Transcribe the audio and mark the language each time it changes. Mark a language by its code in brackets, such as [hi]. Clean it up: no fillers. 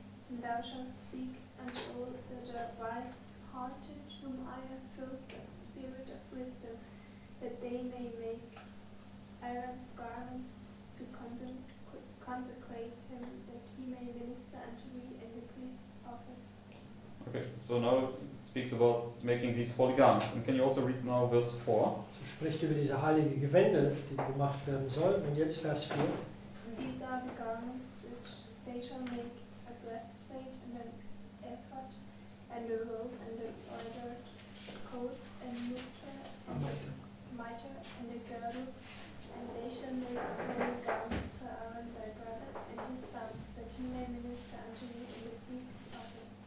[en] And thou shalt speak unto all that are wise hearted, whom I have filled with the spirit of wisdom, that they may make Aaron's garments to consecrate him, that he may minister unto me in the priest's office. Okay, so now it speaks about making these holy garments. And can you also read now verse 4? [de] So spricht über diese heilige Gewände, die gemacht werden soll. Und jetzt Vers 4. [en] These are the garments which they shall make: a breastplate, and an ephod, and a robe, and a bordered coat, and mitre, and a girdle. And they shall make holy garments for Aaron thy brother and his sons, that he may minister unto me in the priest's office.